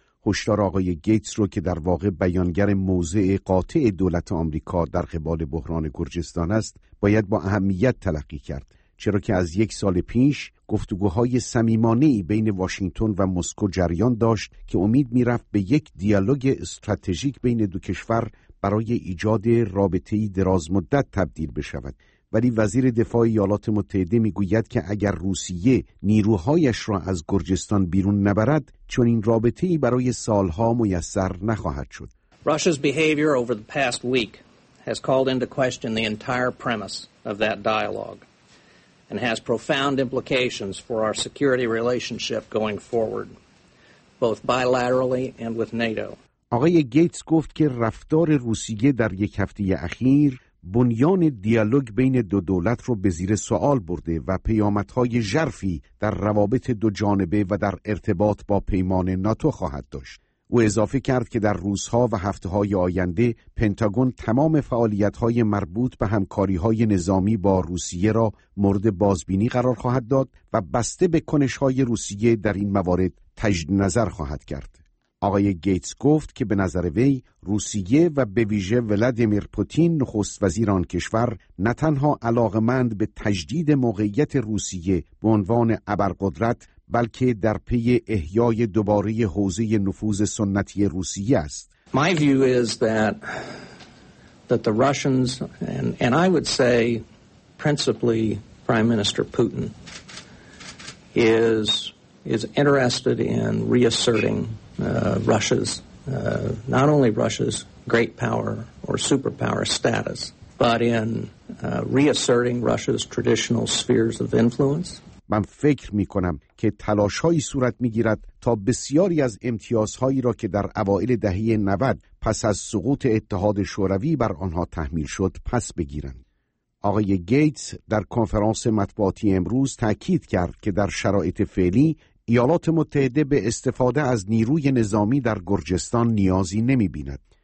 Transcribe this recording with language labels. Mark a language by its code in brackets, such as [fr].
[fa] هشدار آقای گیتس رو که در واقع بیانگر موضع قاطع دولت آمریکا در قبال بحران گرجستان است، باید با اهمیت تلقی کرد، چرا که از یک سال پیش گفتگوهای صمیمانه بین واشنگتن و مسکو جریان داشت که امید می‌رفت به یک دیالوگ استراتژیک بین دو کشور برای ایجاد رابطه‌ای درازمدت تبدیل بشود. ولی وزیر دفاع ایالات متحده می‌گوید که اگر روسیه نیروهایش را از گرجستان بیرون نبرد، چون این رابطه‌ای برای سالها میسر نخواهد شد. [en] Russia's behavior over the past week has called into question the entire premise of that dialogue and has profound implications for our security relationship going forward, both bilaterally and with NATO. [fa] آقای گیتس گفت که رفتار روسیه در یک هفته اخیر بنیان دیالوگ بین دو دولت رو به زیر سوال برده و پیامدهای ژرفی در روابط دو جانبه و در ارتباط با پیمان ناتو خواهد داشت. او اضافه کرد که در روزها و هفته‌های آینده پنتاگون تمام فعالیت‌های مربوط به همکاری‌های نظامی با روسیه را مورد بازبینی قرار خواهد داد و بسته به کنش‌های روسیه در این موارد تجدید نظر خواهد کرد. آقای گیتس گفت که به نظر وی روسیه و به ویژه ولادیمیر پوتین نخست وزیر آن کشور نه تنها علاقمند به تجدید موقعیت روسیه به عنوان ابرقدرت، بلکه در پی احیای دوباره حوزه نفوذ سنتی روسیه است. [en] My view is that the Russians and I would say principally Prime Minister Putin is interested in reasserting Russia's great power or superpower status, but in reasserting Russia's traditional spheres of influence. [fa] من فکر می‌کنم که تلاش‌هایی صورت می‌گیرد تا بسیاری از امتیازهایی را که در اوائل دهه 90 پس از سقوط اتحاد شوروی بر آنها تحمیل شد پس بگیرند. آقای گیتس در کنفرانس مطبوعاتی امروز تأکید کرد که در شرایط فعلی ایالات متحده به استفاده از نیروی نظامی در گرجستان نیازی نمی‌بیند.